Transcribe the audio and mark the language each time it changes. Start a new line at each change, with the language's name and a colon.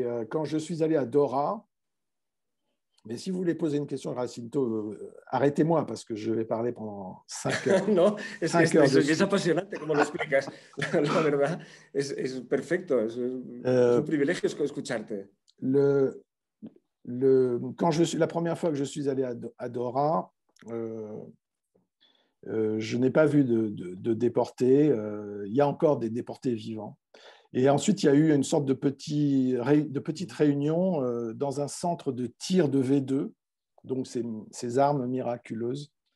French: Quand je suis allé à Dora, mais si vous voulez poser une question, Jacinto, arrêtez-moi parce que je vais parler pendant 5 heures.
Spanish: Non, es apasionante como lo explicas. La verdad, es perfecto. Es un privilegio escucharte.
French: La première fois que je suis allé à Dora, je n'ai pas vu de déportés. Il y a encore des déportés vivants. Et ensuite, il y a eu une sorte de petite réunion dans un centre de tir de V2, donc ces armes miraculeuses.